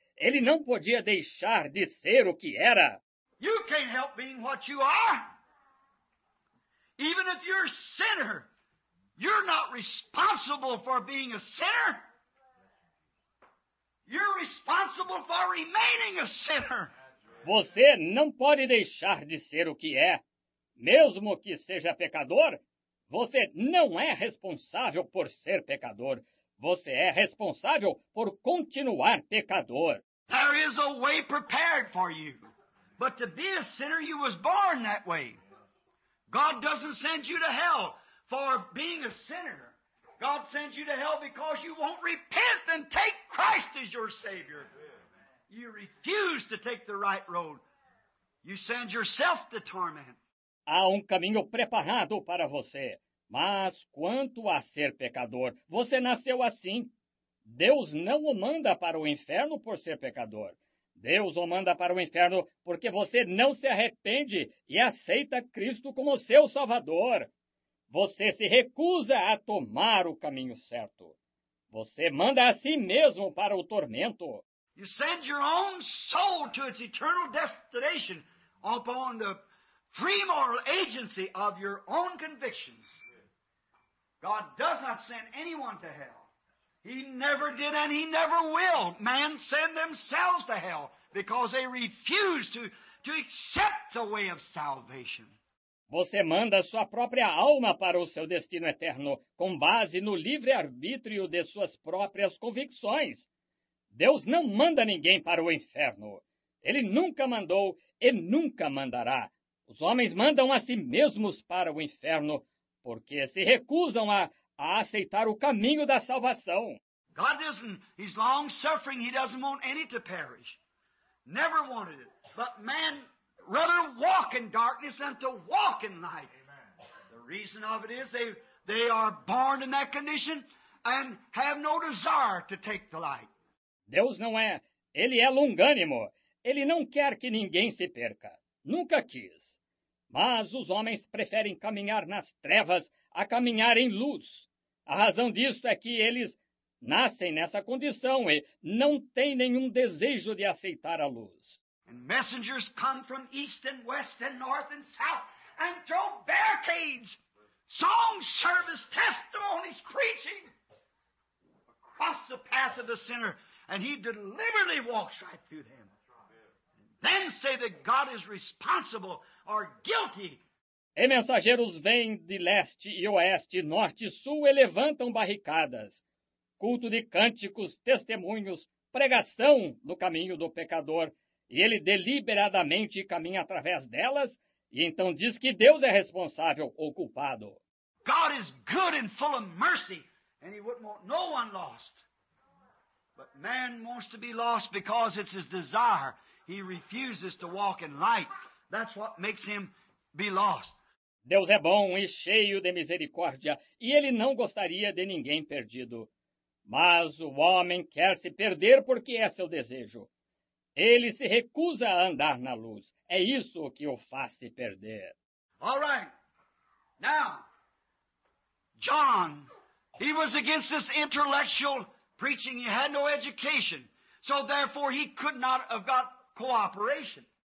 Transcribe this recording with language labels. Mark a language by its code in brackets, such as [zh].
[pt] Ele não podia deixar de ser o que era. [en] You can't help being what you are. Even if you're a sinner, you're not responsible for being a sinner. You're responsible for remaining a sinner. [pt] Você não pode deixar de ser o que é, mesmo que seja pecador, você não é responsável por ser pecador. Você é responsável por continuar pecador. [en] There is a way prepared for you. But to be a sinner, you was born that way. God doesn't send you to hell for being a sinner. God sends you to hell because you won't repent and take Christ as your Savior. You refuse to take the right road. You send yourself to torment. [pt] Há caminho preparado para você. Mas quanto a ser pecador, você nasceu assim. Deus não o manda para o inferno por ser pecador. Deus o manda para o inferno porque você não se arrepende e aceita Cristo como seu Salvador. Você se recusa a tomar o caminho certo. Você manda a si mesmo para o tormento. [en] You send your own soul to its eternal destination upon the free moral agency of your own convictions. God does not send anyone to hell. He never did and he never will. Man send themselves to hell because they refuse to accept the way of salvation. [pt] Você manda sua própria alma para o seu destino eterno com base no livre arbítrio de suas próprias convicções. Deus não manda ninguém para o inferno. Ele nunca mandou e nunca mandará. Os homens mandam a si mesmos para o inferno porque se recusam a aceitar o caminho da salvação. [en] God isn't, he's long suffering. He doesn't want any to perish. Never wanted it. But man rather walk in darkness than to walk in light. Amen. The reason of it is they are born in that condition and have no desire to take the light. [pt] Deus não é, ele é longânimo. Ele não quer que ninguém se perca. Nunca quis. Mas os homens preferem caminhar nas trevas a caminhar em luz. A razão disto é que eles nascem nessa condição e não têm nenhum desejo de aceitar a luz. [en] And messengers come from east and west and north and south and throw barricades, songs, service, testimonies, preaching across the path of the sinner, and he deliberately walks right through them. Then say that God is responsible or guilty. [pt] E mensageiros vêm de leste e oeste, norte e sul e levantam barricadas. Culto de cânticos, testemunhos, pregação no caminho do pecador. E ele deliberadamente caminha através delas e então diz que Deus é responsável ou culpado. [en] God is good and full of mercy, and he wouldn't want no one lost. But man wants to be lost because it's his desire. He refuses to walk in light. That's what makes him be lost. [pt] Deus é bom e cheio de misericórdia, e ele não gostaria de ninguém perdido. Mas o homem quer se perder porque é seu desejo. Ele se recusa a andar na luz. É isso que o faz se perder. [en] All right. Now, John, he was against this intellectual preaching. He had no education. So therefore, he could not have got cooperation.